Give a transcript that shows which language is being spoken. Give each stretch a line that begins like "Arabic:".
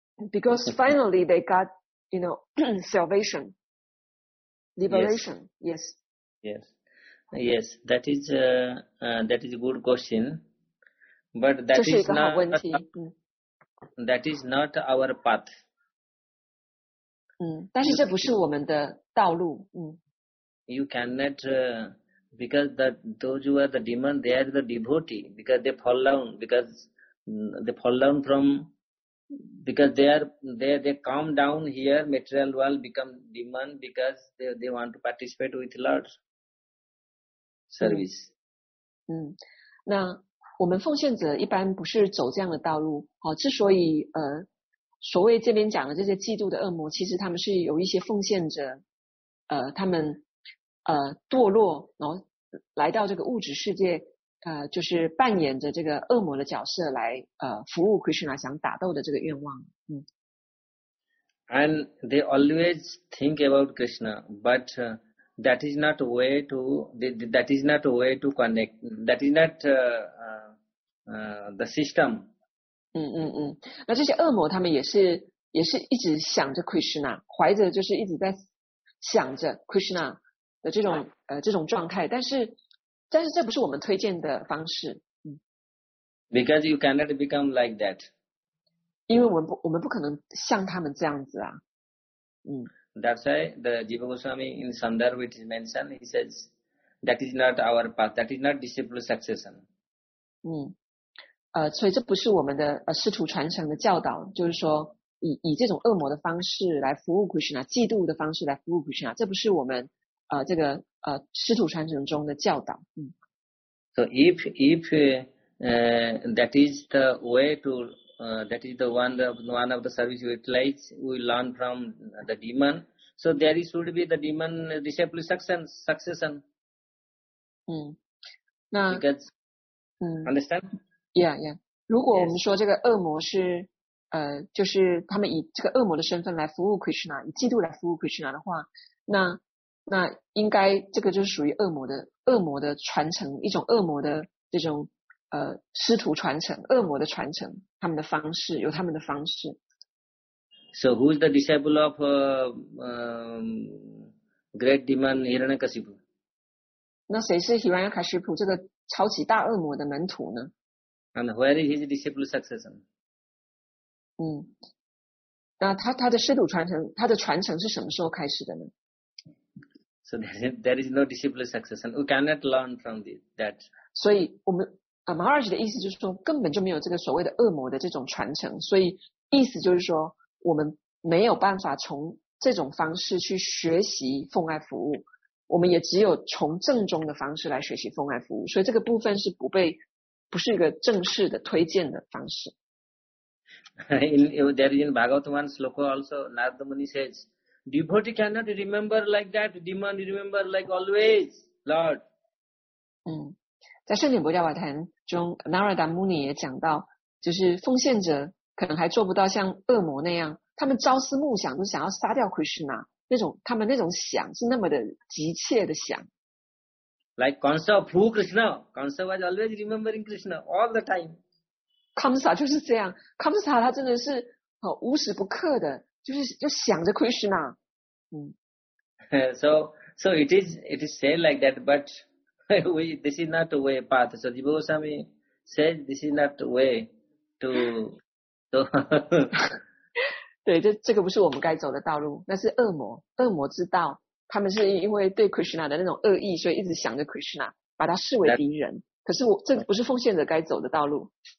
English: Because finally they got, salvation. Liberation, yes. That is a good question, but that is not our path.
Chinese: 但是这不是我们的道路。
English: You cannot, because that those who are the demon, they are the devotee, because they fall down, because they come down here, material world, become demon because they want to participate with Lord's service.
Chinese: 那我们奉献者一般不是走这样的道路。之所以所谓这边讲的这些嫉妒的恶魔，其实他们是有一些奉献者他们堕落，然后来到这个物质世界，就是扮演着这个恶魔的角色来服务 Krishna 想打斗的这个愿望。
English: And they always think about Krishna, but that is not a way to connect. That is not the system.
Chinese: 那这些恶魔他们也是一直想着 Krishna, 怀着就是一直在想着 Krishna 的这种状态，但是但是这不是我们推荐的方式。
English: Because you cannot become like that.
Chinese: 因为我们不可能像他们这样子啊。
English: That's why the Jiva Goswami in Sandarbha it is mentioned, he says, that is not our path, that is not disciple succession.
Chinese: 所以这不是我们的师徒传承的教导，就是说以这种恶魔的方式来服务 Krishna， 嫉妒的方式来服务 Krishna， 这不是我们这个师徒传承中的教导。
English: So that is the way to that is the one of the service utilize we learn from the demon. So there should be the demon disciple succession.
Chinese: 那
English: understand？
Chinese: 如果我们说这个恶魔是就是他们以这个恶魔的身份来服务 Krishna， 以嫉妒来服务 Krishna 的话，那应该这个就是属于恶魔的传承，一种恶魔的这种师徒传承，恶魔的传承，他们的方式有他们的方式。
English: So who is the disciple of great demon Hiranyakashipu？
Chinese: 那谁是 Hiranyakashipu 这个超级大恶魔的门徒呢？
English: And where is his disciple succession？
Chinese: 那他的师徒传承，他的传承是什么时候开始的呢？
English: So there is no disciple succession. We cannot learn from that.
Chinese: 所以我们Maharaj 的意思就是说，根本就没有这个所谓的恶魔的这种传承。所以意思就是说，我们没有办法从这种方式去学习奉爱服务，我们也只有从正宗的方式来学习奉爱服务。所以这个部分是不是一个正式的推荐的方式。
English: There is in Bhagavatam's sloka also, Narada Muni says, devotee cannot remember like that, demon remember like always, Lord.
Chinese: 在圣典薄伽瓦坛中 ,Narada Muni 也讲到，就是奉献者可能还做不到像恶魔那样，他们朝思暮想都想要杀掉 Krishna， 他们那种想是那么的急切的想。
English: Like Kamsa, who Krishna? Kamsa was always remembering Krishna all the time.
Chinese: Kamsa 就是这样， Kamsa 他真的是无时不刻的就想着 Krishna。
English: So it is said like that, but this is not the way path. So Jiva Goswami said this is not the way to
Chinese: 对，这个不是我们该走的道路，那是恶魔之道。他们是因为对 Krishna 的那种恶意，所以一直想着 Krishna， 把他视为敌人。可是这不是奉献者该走的道路。